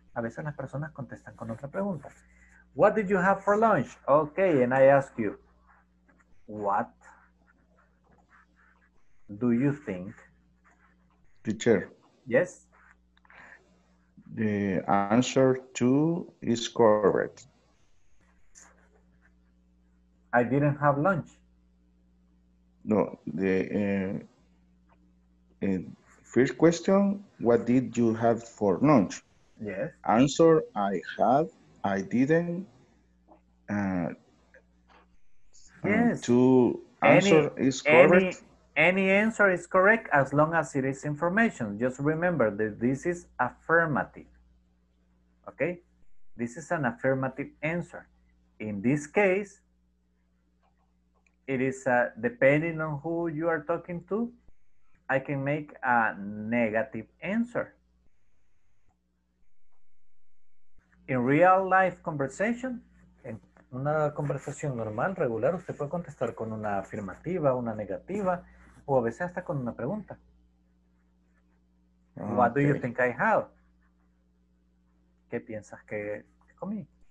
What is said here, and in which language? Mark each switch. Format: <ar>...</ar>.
<es>A veces las personas contestan con otra pregunta.</es> <en>What did you have for lunch? Okay, and I ask you, what do you think? Teacher. Yes? The answer to is correct. I didn't have lunch. No, the first question, what did you have for lunch? Yes. Answer, I had, I didn't. Yes. To answer any, is correct. Any answer is correct as long as it is information. Just remember that this is affirmative. Okay? This is an affirmative answer. In this case, it is depending on who you are talking to, I can make a negative answer. In real life conversation,</en> <es>en una conversación normal, regular, usted puede contestar con una afirmativa, una negativa, o a veces hasta con una pregunta.</es> <en>Okay. What do you think I have?</en> <es>¿Qué piensas que comí?</es>